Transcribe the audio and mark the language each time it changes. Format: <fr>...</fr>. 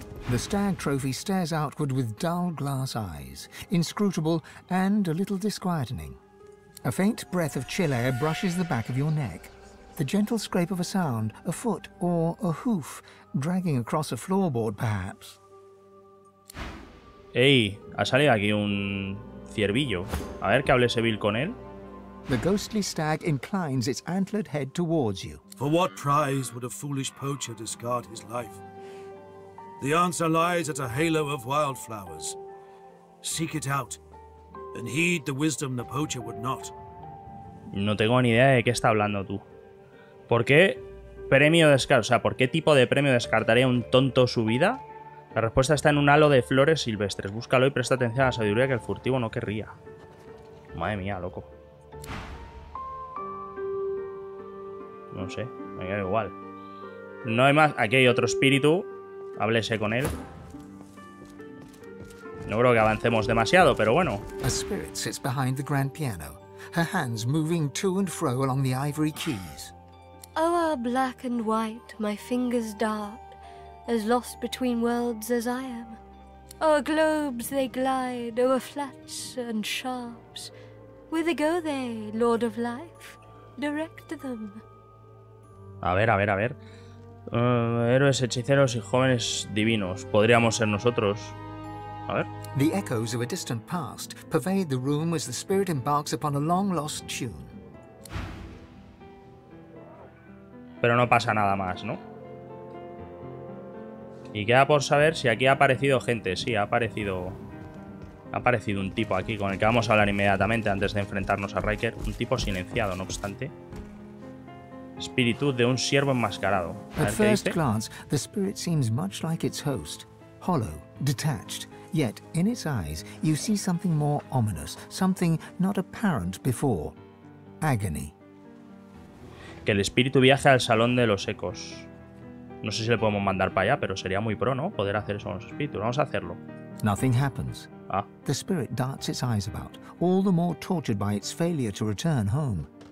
<en>The stag trophy stares outward with dull glass eyes, inscrutable and a little disquieting. A faint breath of chill air brushes the back of your neck. The gentle scrape of a sound, a foot or a hoof, dragging across a floorboard, perhaps.</en> <es>Hey, ha salido aquí un ciervillo. A ver que hable Seville con él.</es> <en>The ghostly stag inclines its antlered head towards you. For what prize would a foolish poacher discard his life? The answer lies at a halo of wildflowers. Seek it out, and heed the wisdom the poacher would not.</en> <es>No tengo ni idea de qué está hablando tú. ¿Por qué premio descartaría? O sea, ¿por qué tipo de premio descartaría un tonto su vida? La respuesta está en un halo de flores silvestres. Búscalo y presta atención a la sabiduría que el furtivo no querría. Madre mía, loco. No sé, me queda igual. No hay más. Aquí hay otro espíritu. Háblese con él. No creo que avancemos demasiado, pero bueno.</es> <en>A spirit sits behind the grand piano, her hands moving to and fro along the ivory keys. O'er black and white, my fingers dart, as lost between worlds as I am. O'er globes they glide, o'er flats and sharps. Whither go they, Lord of Life? Direct them.</en> <es>A ver, a ver, a ver. Héroes, hechiceros y jóvenes divinos. Podríamos ser nosotros. A ver.</es> <en>The echoes of a distant past pervade the room as the spirit embarks upon a long lost tune.</en> <es>Pero no pasa nada más, ¿no? Y queda por saber si aquí ha aparecido gente. Sí, ha aparecido. Ha aparecido un tipo aquí con el que vamos a hablar inmediatamente antes de enfrentarnos a Riker. Un tipo silenciado, no obstante. Espíritu de un siervo enmascarado.</es> <en>At first glance, the spirit seems much like its host. Hollow, detached. Yet, in its eyes, you see something more ominous. Something not apparent before. Agony.</en> <es>Que el espíritu viaje al salón de los ecos. No sé si le podemos mandar para allá, pero sería muy pro, ¿no? Poder hacer eso con los espíritus. Vamos a hacerlo.</es> <en>Nothing happens. Ah. The spirit darts its eyes about, all the more tortured by its failure to return home.</en>